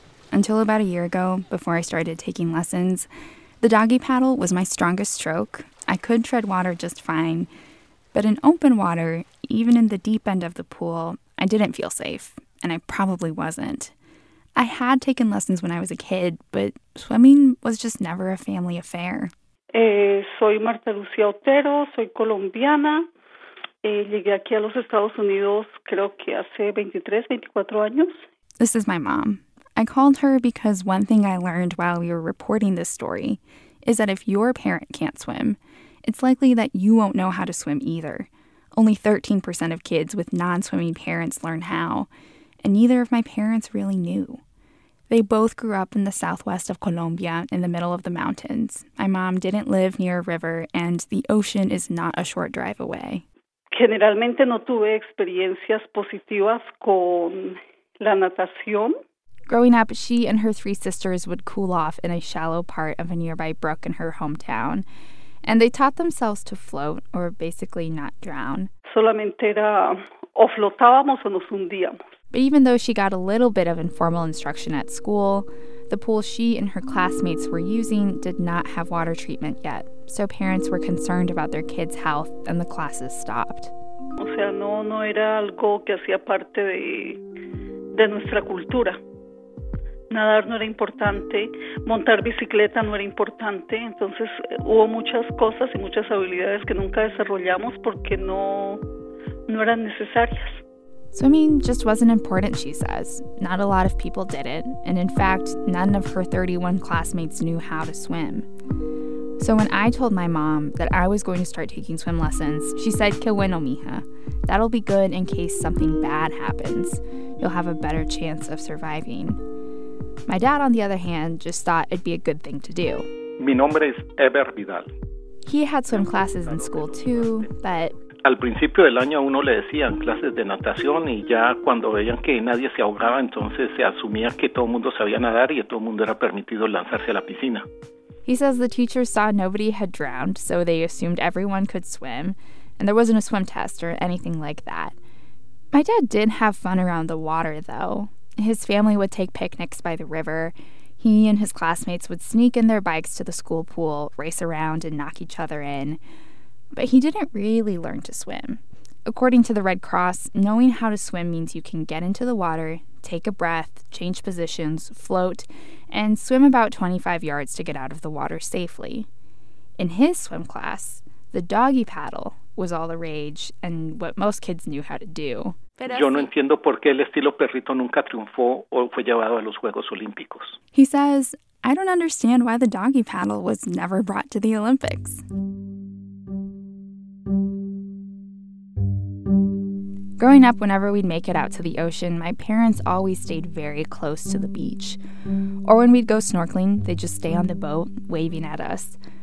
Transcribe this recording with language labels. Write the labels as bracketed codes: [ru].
[en] Until about a year ago, before I started taking lessons, the doggy paddle was my strongest stroke. I could tread water just fine, but in open water, even in the deep end of the pool, I didn't feel safe, and I probably wasn't. I had taken lessons when I was a kid, but swimming was just never a family affair. [es] Soy Marta Lucía Otero, soy colombiana. Llegué aquí a los Estados Unidos, creo que hace 23, 24 años. [en] This is my mom. I called her because one thing I learned while we were reporting this story is that if your parent can't swim, it's likely that you won't know how to swim either. Only 13% of kids with non-swimming parents learn how, and neither of my parents really knew. They both grew up in the southwest of Colombia, in the middle of the mountains. My mom didn't live near a river, and the ocean is not a short drive away. [es] Generalmente no tuve experiencias positivas con la natación. [en] Growing up, she and her three sisters would cool off in a shallow part of a nearby brook in her hometown, and they taught themselves to float, or basically not drown. [es] Solamente era o flotábamos o nos hundíamos. [en] But even though she got a little bit of informal instruction at school, the pool she and her classmates were using did not have water treatment yet, so parents were concerned about their kids' health, and the classes stopped. [es] O sea, no era algo que hacía parte de nuestra cultura. Nadar no era importante, montar bicicleta no era importante. Entonces hubo muchas cosas y muchas habilidades que nunca desarrollamos porque no eran necesarias. [en] Swimming just wasn't important, she says. Not a lot of people did it, and in fact, none of her 31 classmates knew how to swim. So when I told my mom that I was going to start taking swim lessons, she said, [es] "Qué bueno, mija. [en] That'll be good in case something bad happens. You'll have a better chance of surviving." My dad, on the other hand, just thought it'd be a good thing to do. [es] Mi nombre es Eber Vidal. [en] He had swim classes in school too, but [es] al principio del año uno le decían clases de natación y ya cuando veían que nadie se ahogaba, entonces se asumía que todo el mundo sabía nadar y todo el mundo era permitido lanzarse a la piscina. [en] He says the teachers saw nobody had drowned, so they assumed everyone could swim, and there wasn't a swim test or anything like that. My dad did have fun around the water, though. His family would take picnics by the river. He and his classmates would sneak in their bikes to the school pool, race around, and knock each other in. But he didn't really learn to swim. According to the Red Cross, knowing how to swim means you can get into the water, take a breath, change positions, float, and swim about 25 yards to get out of the water safely. In his swim class, the doggy paddle was all the rage and what most kids knew how to do. [es] Yo no entiendo por qué el estilo perrito nunca triunfó o fue llevado a los Juegos Olímpicos. [en] He says, "I don't understand why the doggy paddle was never brought to the Olympics." Growing up, whenever we'd make it out to the ocean, my parents always stayed very close to the beach. Or when we'd go snorkeling, they'd just stay on the boat, waving at us.